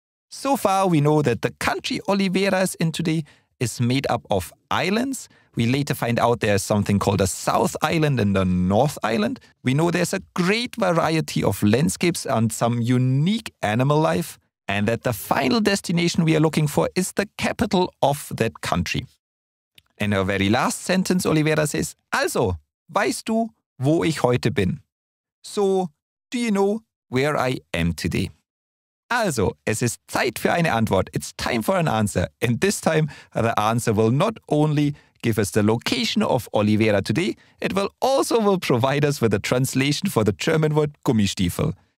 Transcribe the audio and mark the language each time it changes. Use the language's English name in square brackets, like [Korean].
[English] So far, we know that the country Olivera is in today is made up of islands. We later find out there's something called a South Island and a North Island. We know there's a great variety of landscapes and some unique animal life. And that the final destination we are looking for is the capital of that country. In her very last sentence, Olivera says, [German] also, weißt du, wo ich heute bin? [English] So, do you know where I am today? [German] Also, es ist Zeit für eine Antwort. [English] It's time for an answer. And this time, the answer will not only give us the location of Olivera today, it will also will provide us with a translation for the German word Gummistiefel.